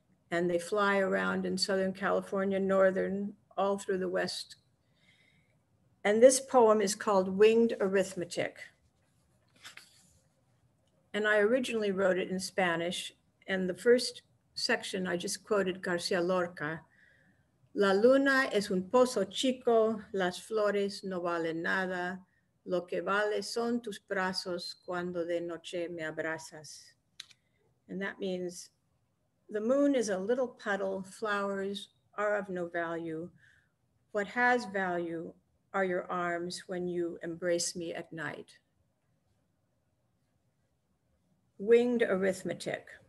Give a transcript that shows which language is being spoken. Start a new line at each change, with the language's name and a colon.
English: And they fly around in Southern California, Northern, all through the West. And this poem is called Winged Arithmetic. And I originally wrote it in Spanish. And the first section, I just quoted García Lorca.
Spanish: La luna es un pozo chico, las flores no valen nada. Lo que vale son tus brazos cuando de noche me abrazas.
English: And that means the moon is a little puddle, flowers are of no value. What has value are your arms when you embrace me at night. Winged arithmetic.